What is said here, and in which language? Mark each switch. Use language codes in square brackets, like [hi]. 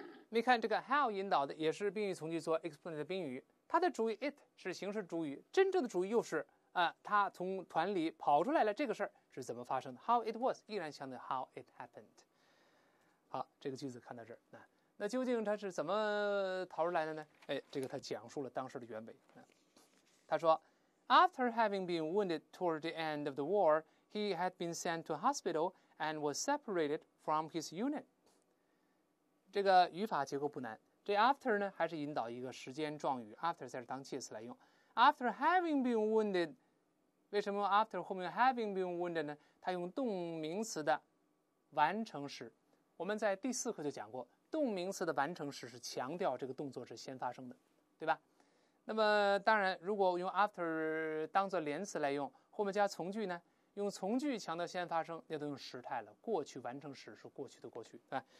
[zh] 你看这个 how 引导的也是宾语从句做 explain 的宾语，它的主语 it 是形式主语，真正的主语又是他从团里跑出来了，这个事是怎么发生的？ [en] How it was [zh] 依然强调 [en] how it happened。 [zh] 好，这个句子看到这儿，那究竟他是怎么逃出来的呢？这个他讲述了当时的原委。他说 [en] After having been wounded toward the end of the warHe had been sent to hospital and was separated from his unit. [zh] 这个语法结构不难。这 after 呢，还是引导一个时间状语 ，after 在这当介词来用。 [en] After having been wounded， [zh] 为什么用 [en] after [zh] 后面用 [en] having been wounded 呢？ [zh] 它用动名词的完成时。我们在第四课就讲过，动名词的完成时是强调这个动作是先发生的，对吧？那么当然，如果用 after 当作连词来用，后面加从句呢？用从句强调先发生，那都用时态了。过去完成时是过去的过去，对吧？